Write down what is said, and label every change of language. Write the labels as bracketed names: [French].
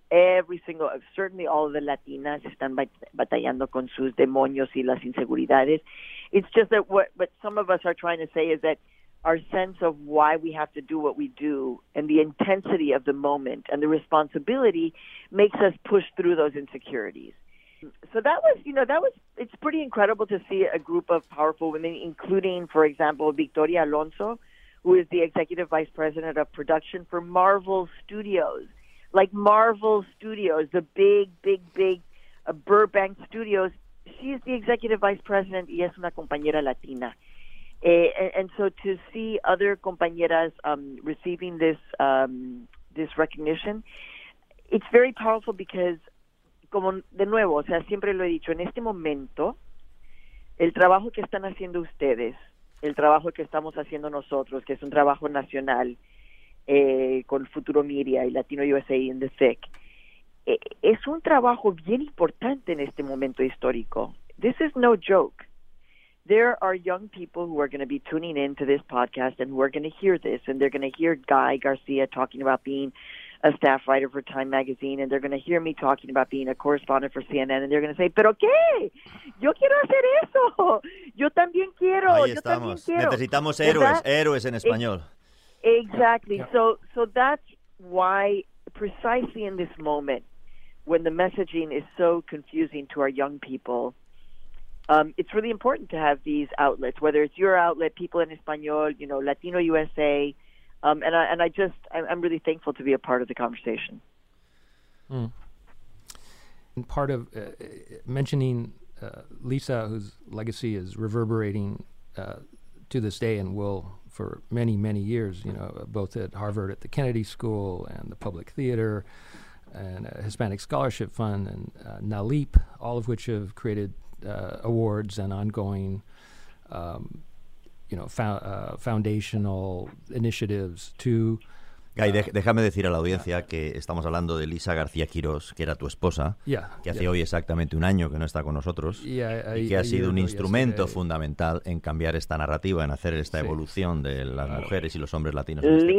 [English] Certainly all of the Latinas [Spanish] están batallando con sus demonios y las inseguridades. [English] It's just that what some of us are trying to say is that our sense of why we have to do what we do and the intensity of the moment and the responsibility makes us push through those insecurities. So that was, it's pretty incredible to see a group of powerful women, including, for example, Victoria Alonso, who is the executive vice president of production for Marvel Studios. Like Marvel Studios, the big Burbank Studios. She's the executive vice president [Spanish] y es una compañera latina. [English] And so to see other compañeras receiving this this recognition, it's very powerful because, [Spanish] como de nuevo, o sea, siempre lo he dicho, en este momento, el trabajo que están haciendo ustedes, el trabajo que estamos haciendo nosotros, que es un trabajo nacional con Futuro Media y Latino USA in the thick, es un trabajo bien importante en este momento histórico. [English] This is no joke. There are young people who are going to be tuning in to this podcast and who are going to hear this, and they're going to hear Guy Garcia talking about being a staff writer for Time Magazine, and they're going to hear me talking about being a correspondent for CNN, and they're going to say, [Spanish] ¿pero qué? Yo quiero hacer eso. Yo también quiero. Ahí estamos. Yo también quiero. Necesitamos héroes, héroes en español. [English] Exactly. Yeah. So that's why, precisely in this moment, when the messaging is so confusing to our young people, it's really important to have these outlets, whether it's your outlet, People in Español, Latino USA, I'm really thankful to be a part of the conversation. Mm. And part of mentioning Lisa, whose legacy is reverberating to this day and will for many, many years, both at Harvard at the Kennedy School and the Public Theater and Hispanic Scholarship Fund and NALEAP, all of which have created awards and ongoing foundational initiatives to... [Spanish] Guy, déjame decir a la audiencia que estamos hablando de Lisa García Quirós, que era tu esposa, que hace hoy exactamente un año que no está con nosotros, y que ha sido un instrumento fundamental en cambiar esta narrativa, en hacer esta evolución de las mujeres y los hombres latinos en este